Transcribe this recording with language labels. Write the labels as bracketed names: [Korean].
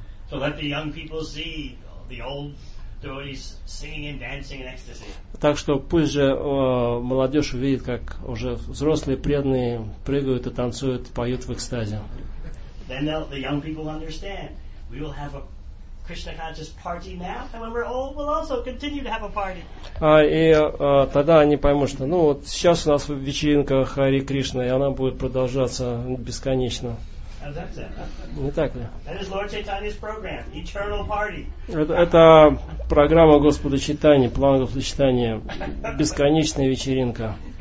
[English] So let the young people see the old devotees singing and dancing in ecstasy. [Russian] Так что пусть же молодежь увидит, как уже взрослые преданные прыгают и танцуют, поют в экстазе. [English] Then the young people understand. We will have a Krishna conscious party now, and when we're old, we'll also continue to have a party. [Russian] Тогда они поймут, что, ну вот сейчас у нас вечеринка Хари Кришна, и она будет продолжаться бесконечно. Не так ли? [English] That is Lord Chaitanya's program, eternal party. [Russian] Это программа Господа Чайтаньи, план Господа Чайтаньи, бесконечная вечеринка.